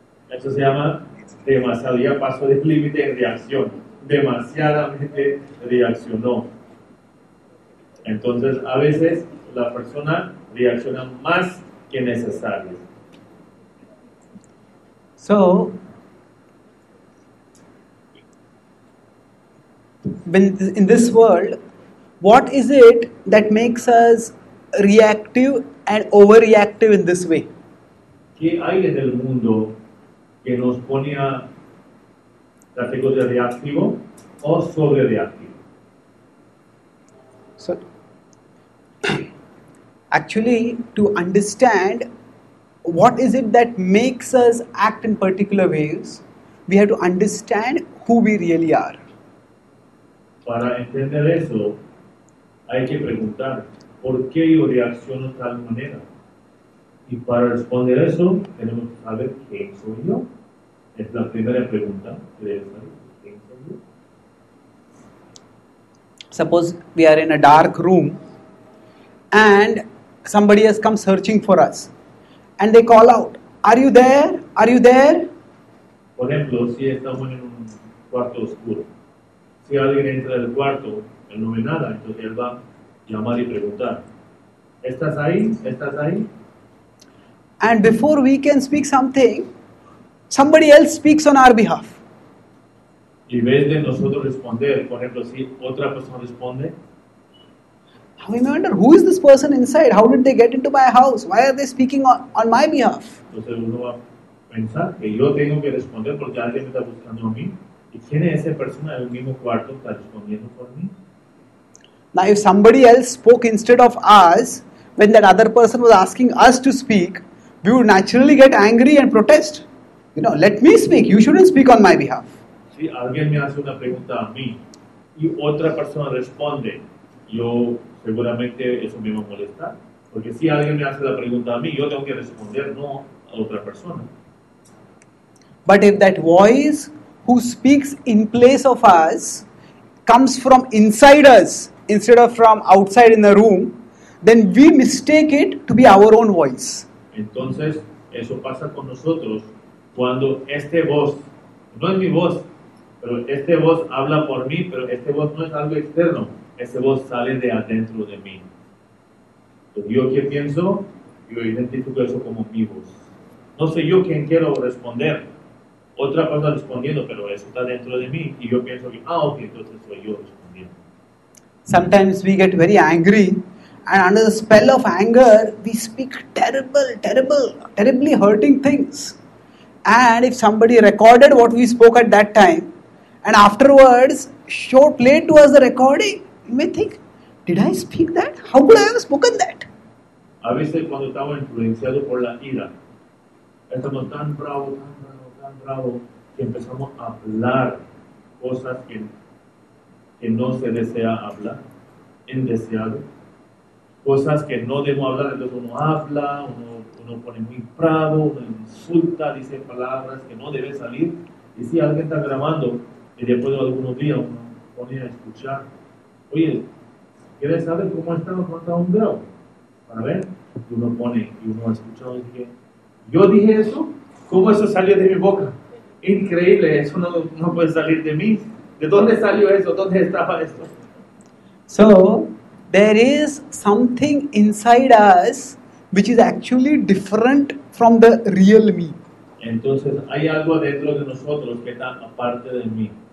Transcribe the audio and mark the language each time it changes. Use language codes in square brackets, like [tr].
[es] Eso se llama demasiado, ya pasó del límite en reacción, demasiadamente reaccionó. Entonces, a veces la persona reacciona más que necesario. [en] So, in this world, what is it that makes us reactive and overreactive in this way? [es] ¿Qué hay en el mundo que nos pone a tratar de reactivo o sobre reactivo? [en] So, actually, to understand what is it that makes us act in particular ways, we have to understand who we really are. [es] Para entender eso, hay que preguntar, ¿por qué yo reacciono de tal manera? Y para responder eso, tenemos que saber quién soy yo. Es la primera pregunta que debes saber, ¿quién soy yo? [en] Suppose we are in a dark room, and somebody has come searching for us, and they call out, are you there? Are you there? [es] Por ejemplo, si estamos en un cuarto oscuro, si alguien entra del cuarto, él no ve nada, entonces él va a llamar y preguntar. ¿Estás ahí? ¿Estás ahí? [en] And before we can speak something, somebody else speaks on our behalf. [es] Y en vez de nosotros responder, por ejemplo, si otra persona responde. [en] Now we may wonder, who is this person inside? How did they get into my house? Why are they speaking on my behalf? [es] Entonces uno va a pensar que yo tengo que responder porque alguien me está buscando a mí. ¿Y quién es esa persona en el mismo cuarto que está respondiendo por mí? [en] Now, if somebody else spoke instead of us, when that other person was asking us to speak, we would naturally get angry and protest. You know, let me speak. You shouldn't speak on my behalf. [es] Si alguien me hace una pregunta a mí y otra persona responde, yo seguramente eso me va a molestar. Porque si alguien me hace la pregunta a mí, yo tengo que responder, no a otra persona. But if that voice who speaks in place of us comes from inside us instead of from outside in the room, then we mistake it to be our own voice. Entonces, eso pasa con nosotros cuando este voz, no es mi voz, pero este voz habla por mí, pero este voz no es algo externo, este voz sale de adentro de mí. Entonces, yo que pienso, yo identifico eso como mi voz. No sé yo quién quiero responder. Otra persona respondiendo, pero eso está dentro de mí y yo pienso que, ah, ok, entonces soy yo respondiendo. [en] Sometimes we get very angry and under the spell of anger, we speak terribly hurting things. And if somebody recorded what we spoke at that time and afterwards played to us the recording, you may think, did I speak that? How could I have spoken that? [es] A veces cuando estaba influenciado por la ira, estamos tan bravo, bravo, que empezamos a hablar cosas que no se desea hablar, indeseado, cosas que no debo hablar, entonces uno habla, uno pone muy bravo, uno insulta, dice palabras que no deben salir, y si alguien está grabando, y después de algunos días uno pone a escuchar, oye, ¿quieres saber cómo está o cómo está un bravo? Para ver, y uno pone, y uno ha escuchado, y dice, yo dije eso, ¿cómo eso salió de mi boca? Increíble, eso no puede salir de mí. ¿De dónde salió eso? ¿Dónde estaba eso? [en] So, there is something inside us which is actually different from the real me. [es] Entonces, hay algo dentro de nosotros que está aparte de mí.